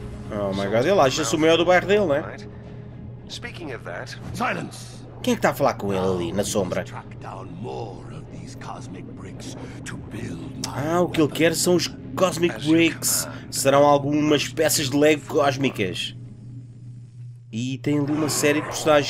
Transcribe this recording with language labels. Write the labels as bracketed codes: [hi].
[en] Oh my god, [pt] ele acha-se o maior do bairro dele, né? [en] Speaking of that, silence. [pt] Quem é que está a falar com ele ali na sombra? Ah, o que ele quer são os Cosmic Bricks. Serão algumas peças de Lego cósmicas. E tem ali uma série de personagens.